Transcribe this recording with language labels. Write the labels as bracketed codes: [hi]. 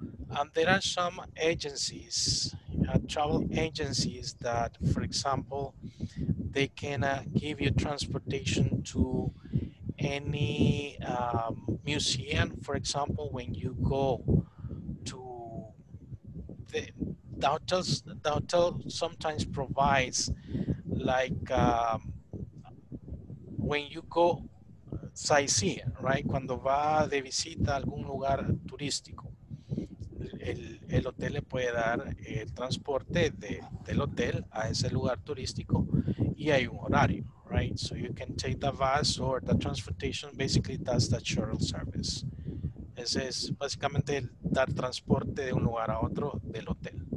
[en] And there are some agencies, travel agencies that, for example, they can give you transportation to any museum. For example, when you go to the hotel sometimes provides, like when you go sightseeing, right? [es] Cuando va de visita a algún lugar turístico, el hotel le puede dar el transporte del hotel a ese lugar turístico y hay un horario, right? [en] So you can take the bus or the transportation, basically that's the shuttle service. [es] Ese es básicamente el dar transporte de un lugar a otro del hotel.